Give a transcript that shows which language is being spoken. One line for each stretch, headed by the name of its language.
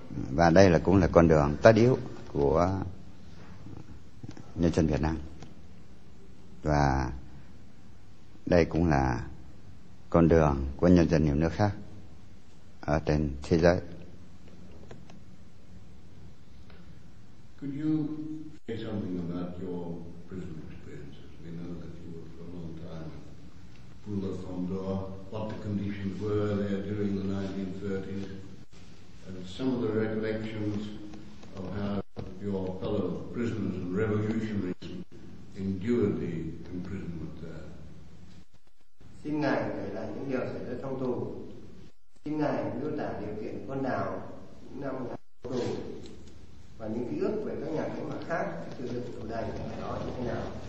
Vietnamese: Và đây là cũng là con đường tất yếu của nhân dân Việt Nam. Và đây cũng là con đường của nhân dân nhiều nước khác ở trên thế giới.
English: Could you say something about your prison experiences? We know that you were for a long time Poule Fondor. What the conditions were there during the 1930s, and some of the recollections of how your fellow prisoners and revolutionaries endured the imprisonment there.
Vietnamese: Xin ngài kể lại những điều xảy ra trong tù. Xin ngài miêu tả điều kiện con đào những năm tháng tù và những ký ức về các nhà cách mạng khác từ lực tù đầy đó như thế nào.